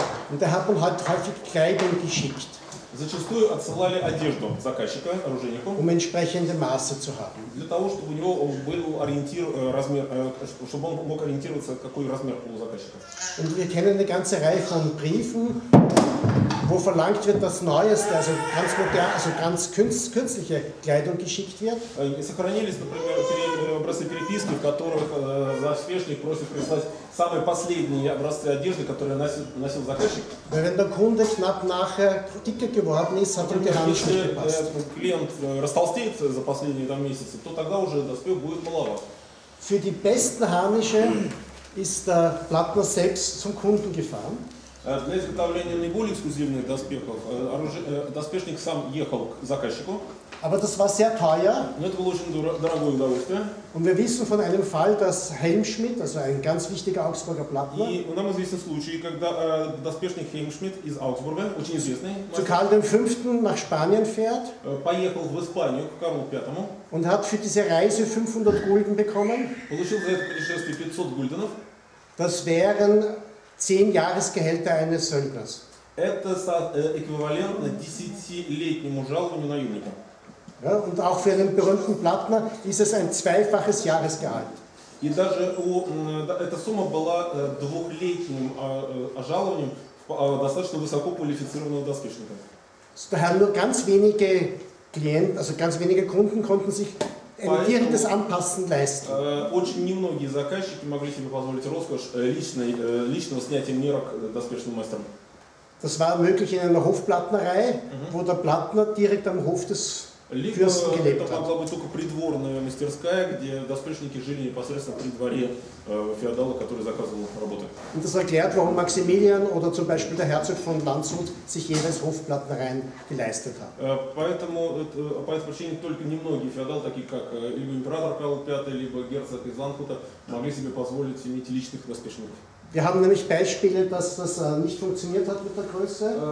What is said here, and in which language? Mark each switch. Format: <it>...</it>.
<de>Und der Herr hat häufig Kleidung geschickt.</de> <ru>Зачастую отсылали одежду заказчика, оружейнику,</ru> <de>um entsprechende Maße zu haben.</de> <ru>Для того, чтобы у него был ориентир, размер, чтобы он мог ориентироваться, какой размер у заказчика.</ru> <de>Und wir kennen eine ganze Reihe von Briefen, wo verlangt wird, dass neueste, also ganz moderne, also ganz künstliche Kleidung geschickt wird.</de> <ru>Сохранились, например, образцы переписки, в которых заспешник просит прислать самые последние образцы одежды, которые носил заказчик.</ru> <de>Weil wenn der Kunde knapp nachher dicker geworden ist, hat ihm die Hand nicht gepasst.</de> <ru>Если клиент растолстеет за последние там месяцы, то тогда уже доспех будет малого.</ru> <de>Für die besten Harnische ist der Plattner selbst zum Kunden gefahren.</de> <ru>Для изготовления наиболее эксклюзивных доспехов доспешник сам ехал к заказчику.</ru> <de>Aber das war sehr teuer.</de> <ru>Но это было очень дорогое удовольствие.</ru> <de>Und wir wissen von einem Fall, dass Helmschmidt, also ein ganz wichtiger Augsburger Plattner,</de> <ru>и нам известен случай, когда доспешник Хельмшмидт из Аугсбурга, очень известный,</ru> <de>zu Karl dem V. nach Spanien fährt.</de> <ru>Поехал в Испанию к Карлу V.</ru> <de>Und hat für diese Reise 500 Gulden bekommen.</de> <ru>Получил за это путешествие 500 гульденов.</ru> <de>Das wären 10 Jahresgehälter eines Söldners.</de> <ru>Это эквивалентно 10-летнему жалованию наемника.</ru> <de>Ja, und auch für einen berühmten Plattner ist es ein zweifaches Jahresgehalt.</de> <ru>И даже эта сумма была двухлетним жалованием достаточно высоко квалифицированного доспешника.</ru> <de>Daher nur ganz wenige Klienten, also ganz wenige Kunden konnten sich ein direktes Anpassen leisten.</de> <ru>Очень немногие заказчики могли себе позволить роскошь личного снятия мерок доспешным мастером.</ru> <de>Das war möglich in einer Hofplattnerei, wo der Plattner direkt am Hof des</de> <ru>Либо это могла быть только придворная мастерская, где доспешники жили непосредственно при дворе феодала, который заказывал работы.</ru> <de>Und das erklärt, warum Maximilian oder zum Beispiel der Herzog von Landshut sich jeweils Hofplattnereien geleistet hat.</de> <ru>Поэтому по этой причине только немногие феодалы, такие как либо император Карл V, либо герцог из Ландхута, могли себе позволить иметь личных доспешников.</ru> <de>Wir haben nämlich Beispiele, dass das nicht funktioniert hat mit der Größe.</de>